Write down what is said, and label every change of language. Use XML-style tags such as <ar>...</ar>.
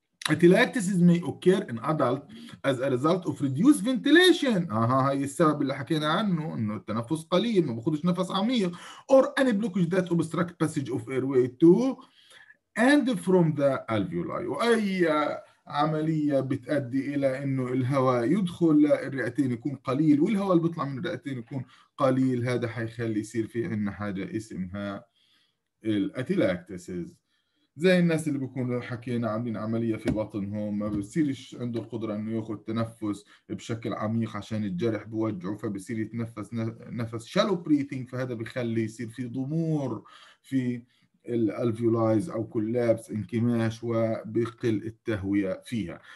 <en>Atelectasis may occur in adult as a result of reduced ventilation.</en> <ar>هاي السبب اللي حكينا عنه، انه التنفس قليل ما بخدش نفس عميق.</ar> <en>Or any blockage that obstruct passage of airway to and from the alveoli.</en> <ar>واي عملية بتأدي الى انه الهواء يدخل للرئتين يكون قليل، والهواء اللي بيطلع من الرئتين يكون قليل، هذا حيخلي يصير في عنا حاجة اسمها الاتيلاكتاسيز. زي الناس اللي بيكونوا حكينا عاملين عملية في بطنهم، ما بيصيرش عنده القدرة انه ياخذ تنفس بشكل عميق عشان الجرح بوجعه، فبيصير يتنفس نفس شالو بريثينج، فهذا بيخلي يصير في ضمور في الالفيولايز او كولابس، انكماش، وبيقل التهوية فيها.</ar>